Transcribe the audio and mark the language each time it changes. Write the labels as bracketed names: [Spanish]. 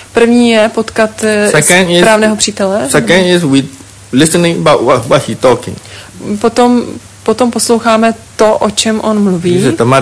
[Czech] První je potkat správného přítele. [English] Second is we listening about what he talking. [Czech] Potom posloucháme to, o čem on mluví.